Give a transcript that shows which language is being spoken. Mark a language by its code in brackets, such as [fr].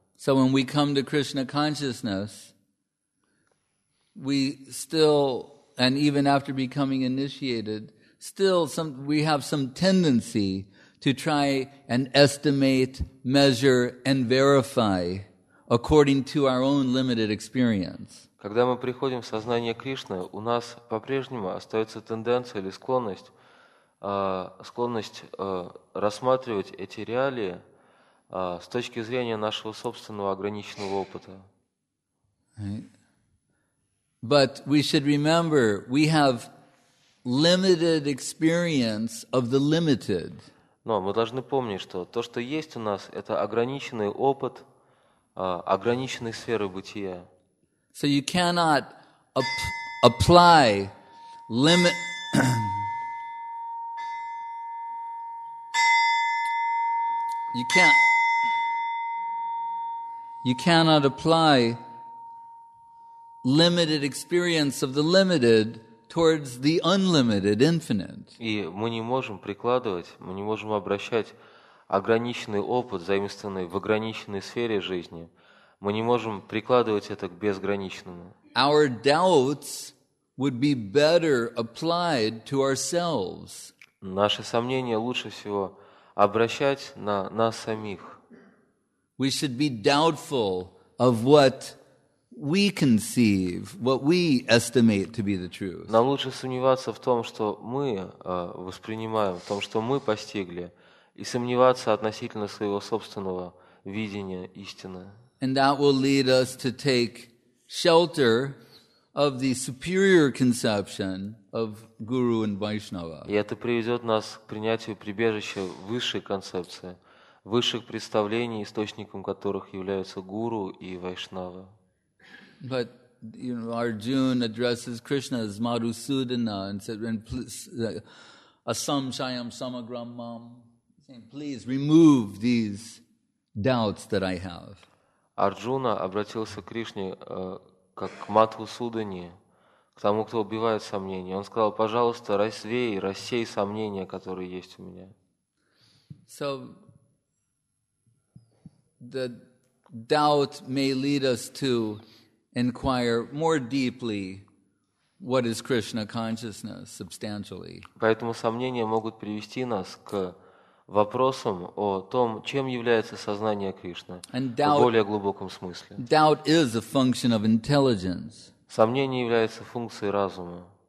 [en] So when we come to Krishna consciousness, we still, and even after becoming initiated, still some we have some tendency to try and estimate, measure, and verify according to our own limited experience. [ru] Когда мы приходим в сознание Кришны, у нас по-прежнему остается тенденция или склонность рассматривать эти реалии с точки зрения нашего собственного ограниченного опыта. [en] But we should remember, we have limited experience of the limited. [ru] Но мы должны помнить, что то, что есть у нас, это ограниченный опыт ограниченной сферы бытия. [en] So you cannot apply limit. You cannot apply limited experience of the limited towards the unlimited infinite. [ru] И мы не можем прикладывать, мы не можем обращать ограниченный опыт, заимствованный в ограниченной сфере жизни. Мы не можем прикладывать это к безграничному. [en] Our doubts would be better applied to ourselves. [ru] Наши сомнения лучше всего обращать на нас самих. [en] We should be doubtful of what we conceive, what we estimate to be the truth. [ru] Нам лучше сомневаться в том, что мы воспринимаем, в том, что мы постигли, и сомневаться относительно своего собственного видения истины. [en] And that will lead us to take shelter of the superior conception of Guru and Vaishnava. [ru] И это приведет нас к принятию прибежища высшей концепции, высших представлений, источником которых являются Гуру и Вайшнава. [en] But you know, Arjuna addresses Krishna as Madhusudana and said, and please, [sa] Asam Shayam Samagram Mam, [en] saying, please remove these doubts that I have. [ru] Арджуна обратился к Кришне как к Мадхусудане, к тому, кто убивает сомнения. Он сказал, пожалуйста, рассей сомнения, которые есть у меня. [en] So, the doubt may lead us to inquire more deeply what is Krishna consciousness substantially. [ru] Поэтому сомнения могут привести нас к вопросом о том, чем является сознание Кришны в более глубоком смысле. [en] Doubt is a function of intelligence. [ru] Сомнение является функцией разума.